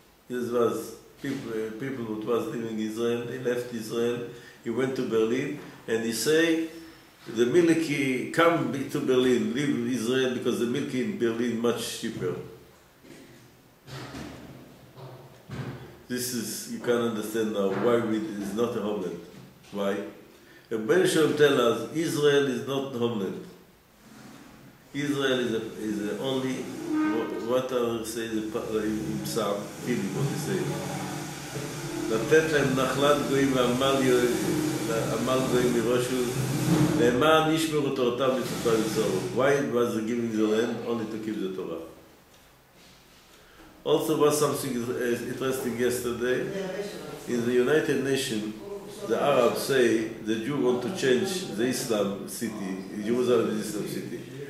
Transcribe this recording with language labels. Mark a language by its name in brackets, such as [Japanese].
[English] This was people who was living in Israel, they left Israel, he went to Berlin, and he say, the Miliki, come to Berlin, leave Israel, because the Miliki in Berlin is much cheaper. This is, you can't understand now why it is not a homeland. Why? The Ben Shalom tell us, Israel is not a homeland. Israel is only what are say the psalm people what they say [Hebrew] לתת להם נחלת גויים ועמל גויים מראשו למען ישמרו תורתם ותצפה לצורו. [English] Why was giving the land only to keep the Torah? Also was something interesting yesterday in the United Nations. The Arabs say the Jews want to change the Islam city, Jerusalem is Islam city.